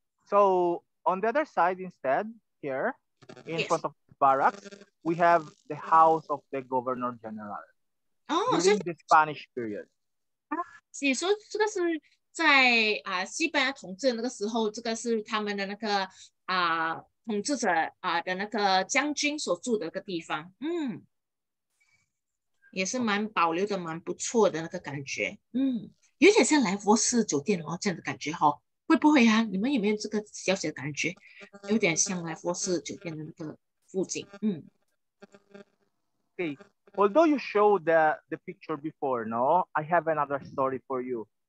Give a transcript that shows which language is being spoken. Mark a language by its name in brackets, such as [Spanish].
[English] So on the other side instead, here in yes. front of barracks, we have the house of the governor general during the Spanish period. [Chinese] 你说这个是在西班牙统治那个时候，这个是他们的那个统治者的那个将军所住的那个地方，也是蛮保留的，蛮不错的那个感觉。有点像莱佛士酒店哦，这样的感觉哈、哦，会不会啊？你们有没有这个小小的感觉？有点像莱佛士酒店的那个附近，嗯。 [English] Okay, although you showed the picture before, no, I have another story for you.